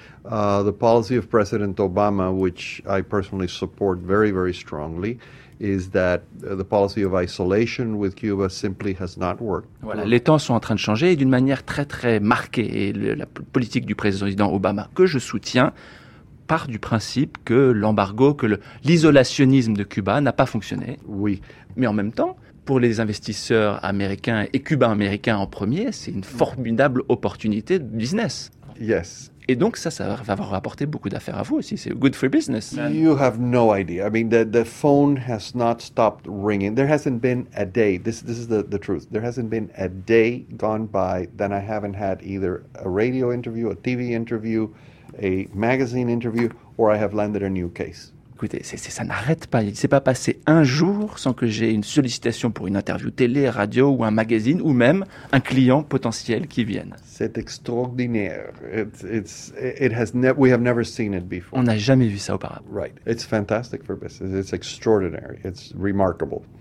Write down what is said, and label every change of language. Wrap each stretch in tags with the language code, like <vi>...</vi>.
<en>The policy of President Obama, which I personally support very, very strongly, is that the policy of isolation with Cuba simply has not worked.</en> <fr>Voilà, les temps sont en train de changer et d'une manière très, très marquée. Et la politique du président Obama, que je soutiens, part du principe que l'embargo, que l'isolationnisme de Cuba n'a pas fonctionné. Oui. Mais en même temps, pour les investisseurs américains et cubains-américains en premier, c'est une formidable opportunité de business.</fr> <en>Yes.</en> <fr>Et donc ça va avoir apporté beaucoup d'affaires à vous aussi. C'est</fr> <en>good for business. You have no idea. I mean, the phone has not stopped ringing. There hasn't been a day. This is the truth. There hasn't been a day gone by that I haven't had either a radio interview, a TV interview, a magazine interview, or I have landed a new case.</en> <fr>Écoutez, ça n'arrête pas. Il ne s'est pas passé un jour sans que j'aie une sollicitation pour une interview télé, radio ou un magazine ou même un client potentiel qui vienne. C'est extraordinaire.</fr> <en>We have never seen it before.</en> <fr>On n'a jamais vu ça auparavant.</fr> <en>Right. It's fantastic for business. It's extraordinary. It's remarkable.</en>